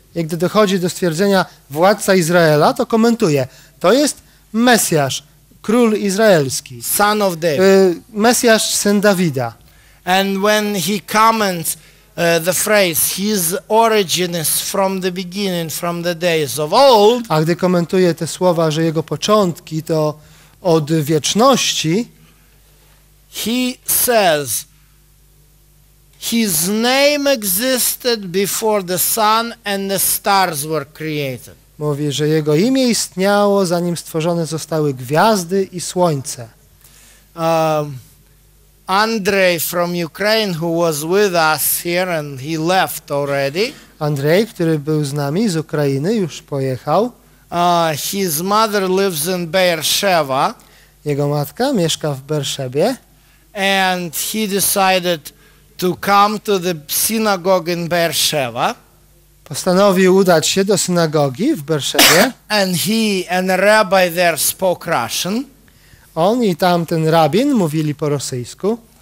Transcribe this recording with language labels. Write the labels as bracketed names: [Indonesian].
[Polish] I gdy dochodzi do stwierdzenia władca Izraela, to komentuje, to jest Mesjasz, król izraelski. [English] Son of David. [Polish] Mesjasz, syn Dawida. [English] And when he comments the phrase, his origin is from the beginning, from the days of old. [Polish] A gdy komentuje te słowa, że jego początki to od wieczności. [English] He says, his name existed before the sun and the stars were created. [Polish] Mówi, że jego imię istniało, zanim stworzone zostały gwiazdy i słońce. [English] Andrzej from Ukraine, who was with us here and he left already. [Polish] Andrzej, który był z nami z Ukrainy, już pojechał. [English] His mother lives in Beersheba. [Polish] Jego matka mieszka w Beerszebie. [English] And he decided to come to the synagogue in Beersheba. [Polish] Postanowił udać się do synagogi w Beerszebie. [English] And he and a rabbi there spoke Russian. [Polish] On i tamten rabin mówili po rosyjsku.